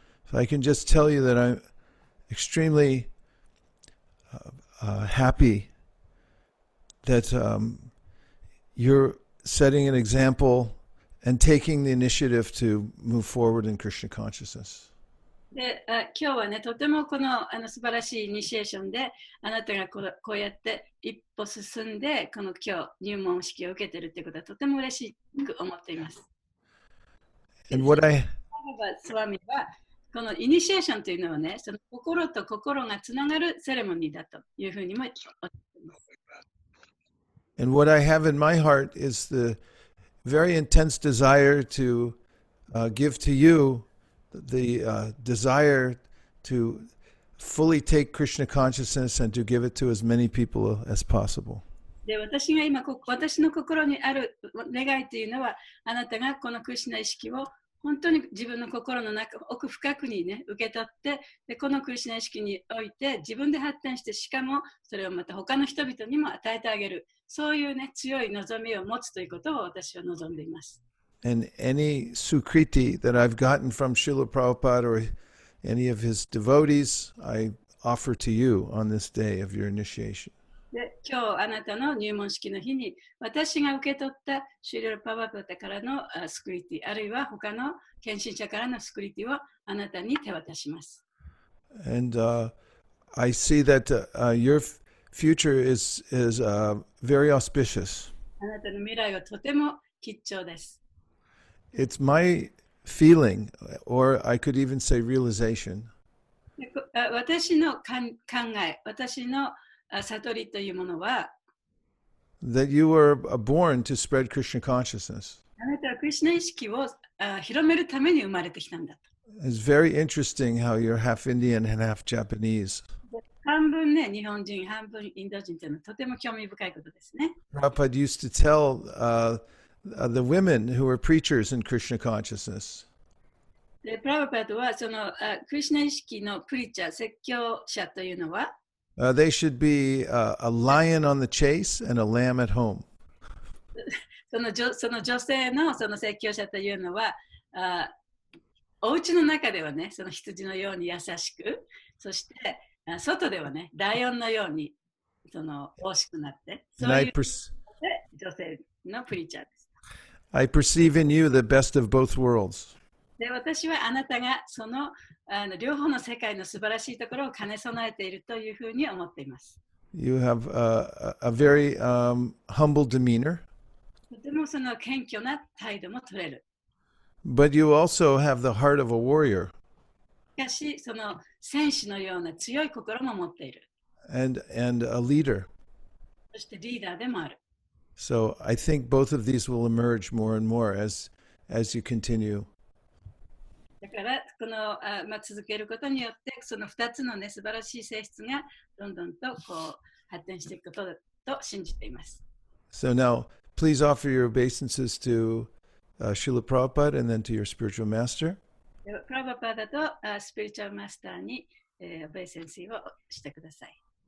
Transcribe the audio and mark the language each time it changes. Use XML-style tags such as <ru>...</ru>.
<en>So I can just tell you that I'm extremely happy that you're setting an example. And taking the initiative to move forward in Krishna consciousness.</en> <ja>で、今日はね、とてもこの素晴らしいイニシエーションで、あなたがこうやって一歩進んで、この今日入門式を受けてるってことはとても嬉しく思っています。</ja> <en>And what I</en> <ja>スワミはこのイニシエーションというのはね、その心と心がつながるセレモニーだというふうにも思っています。</ja> <en>And what I have in my heart is theVery intense desire to give to you the desire to fully take Krishna consciousness and to give it to as many people as possible.</en> <ja>で、私が今私の心にある願いというのは、あなたがこのクリシナ意識を本当に自分の心の中奥深くにね受け取って、でこのクリシナ意識において自分で発展して、しかもそれをまた他の人々にも与えてあげる。そういうね強い望みを持つということを私は望んでいます。</ja> <en>And any sukriti that I've gotten from Srila Prabhupada or any of his devotees, I offer to you on this day of your initiation.</en> <ja>して、今日あなたの入門式の日に、私が受け取ったシリル・パワプタからのスクリティ、あるいは他の献身者からのスクリティをあなたに手渡します。</ja> <en>And, I see that, your future is very auspicious.</en> <ja>あなたの未来はとても吉兆です。</ja> <en>It's my feeling, or I could even say realization.</en> <ja>私の考え、私の悟りというものは、</ja> <en>That you were born to spread Krishna consciousness.</en> <ja>あなたはクリシナ意識を広めるために生まれてきたんだと。</ja> <en>It's very interesting how you're half Indian and half Japanese.</en> <ja>半分ね、日本人、半分インド人というのはとても興味深いことですね。</ja> <en>Prabhupada used to tell the women who were preachers in Krishna consciousness.</en> <ja>でプラヴァパッドはそのクリシナ意識のプリチャー説教者というのは、</ja> <en>they should be a lion on the chase and a lamb at home.</en> <ja>その女性のその説教者というのは、お家の中ではね、その羊のように優しく、そして外ではね、ライオンのようにその惜しくなって、そういう女性のプリチャーです。</ja> <en>I perceive in you the best of both worlds.</en> <ja>で私はあなたがその、両方の世界の素晴らしいところを兼ね備えているというふうに思っています。</ja> <en>You have a very humble demeanor.</en> <ja>とてもその謙虚な態度も取れる。</ja> <en>But you also have the heart of a warrior.</en> <ja>しかし、その戦士のような強い心も持っている。</ja> <en>And a leader.</en> <ja>そしてリーダーでもある。</ja> <en>So I think both of these will emerge more and more as you continue.</en> <ja>だからこの、まあ、続けることによってその2つの、ね、素晴らしい性質がどんどんとこう発展していくことだと信じています。</ja> <en>So now, please offer your obeisances to Srila Prabhupada and then to your spiritual master.</en> <ja>プラヴァパーダとスピリチュアルマスターに、オベイセンシーをしてください。</ja>